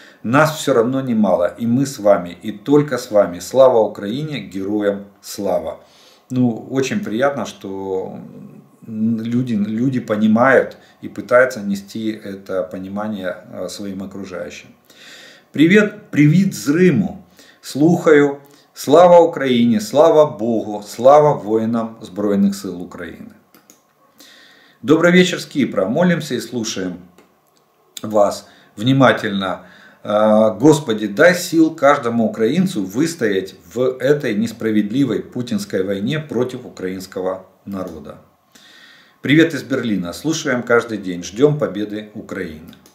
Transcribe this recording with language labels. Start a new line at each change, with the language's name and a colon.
Russian: Нас все равно немало, и мы с вами, и только с вами. Слава Украине, героям слава. Ну, очень приятно, что люди понимают и пытаются нести это понимание своим окружающим.
Ukrainian: Привет, привіт з Риму. Слухаю. Слава Україні, слава Богу, слава воїнам Збройних сил України. Добрий вечір з Кіпра. Молимося і слухаємо вас внимательно.
Russian: Господи, дай сил каждому українцю вистоять в этой несправедливой путинской войне против украинского народа. Привет из Берлина. Слушаем каждый день. Ждем победы Украины.